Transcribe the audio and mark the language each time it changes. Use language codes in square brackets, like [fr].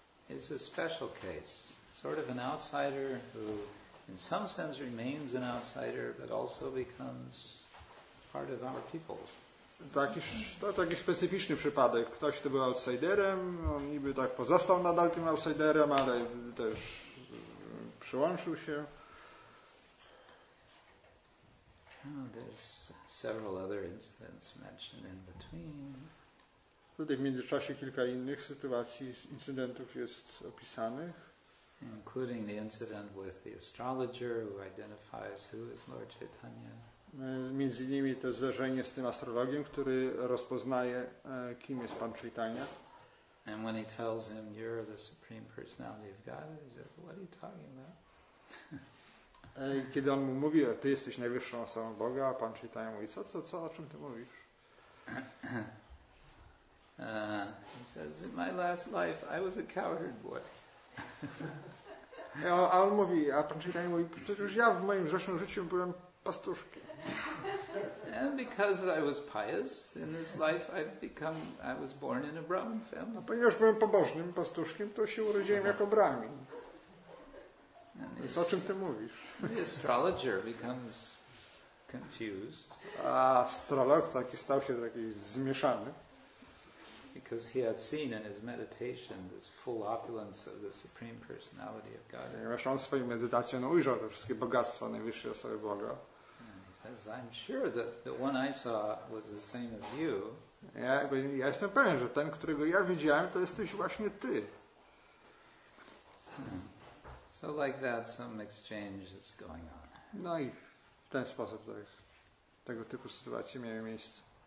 [en] It's a special case, sort of an outsider who in some sense remains an outsider, but also becomes part of our people. [pl] To taki specyficzny przypadek. Ktoś, kto był outsiderem, on niby tak pozostał nadal tym outsiderem, ale też przyłączył się. [en] There's several other incidents mentioned in between. [pl] Tutaj w międzyczasie kilka innych sytuacji, incydentów jest opisanych. [en] Including the incident with the astrologer who identifies who is Lord Chaitanya. [pl] Między innymi to zderzenie z tym astrologiem, który rozpoznaje, kim jest Pan Chaitanya. [en] And when he tells him, you're the Supreme Personality of God, he says, what are you talking about? [pl] Kiedy on mu mówi, ty jesteś najwyższą osobą Boga, a Pan Chaitanya mówi, co, o czym ty mówisz? [en] He says, in my last life I was a cowherd boy. [pl] A on mówi, a Pan Chaitanya mówi, przecież ja w moim zeszłym życiu byłem pastuszkiem. [en] And because I was pious in this life, I was born in a Brahmin family. [pl] Ponieważ byłem pobożnym pastuszkiem, to się urodziłem jako Brahmin. Więc o czym ty mówisz? [en] The astrologer becomes confused. [pl] A astrolog taki stał się taki zmieszany. [en] Because he had seen in his meditation this full opulence of the Supreme Personality of God. [pl] Ponieważ on w swojej medytacji ujrzał te wszystkie bogactwa najwyższej osoby Boga. [en] As I'm sure that the one I saw was the same as you. [pl] Ja jestem pewien, że ten, którego ja widziałem, to jesteś właśnie ty. [en] So like that, some exchange is going on. [pl] No i w ten sposób tego typu sytuacje miały miejsce.